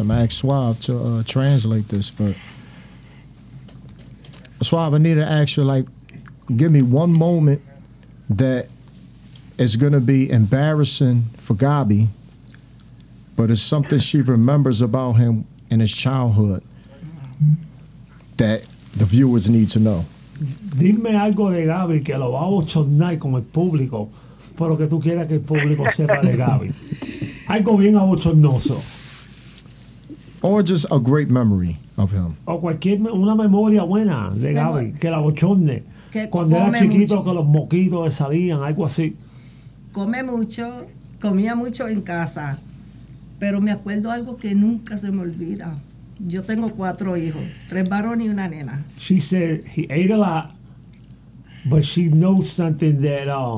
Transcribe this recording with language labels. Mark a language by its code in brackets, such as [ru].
[en] I'm gonna ask Suave to translate this, but Suave, I need to ask you, like, give me one moment that is gonna be embarrassing for Gabi, but it's something she remembers about him in his childhood that the viewers need to know. [es] Dime algo de Gabi que lo va a bochornar con el público. Pero que tú quieras que el público sepa de Gabi. Algo bien abochornoso. [en] Or just a great memory of him. [es] O cualquier una memoria buena de Gabi, que la abochorne. Cuando era chiquito, mucho. Que los moquitos le salían, algo así. Comía mucho en casa. Pero me acuerdo algo que nunca se me olvida. Yo tengo 4 hijos, 3 varones y una nena. [en] She said he ate a lot, but she knows something that...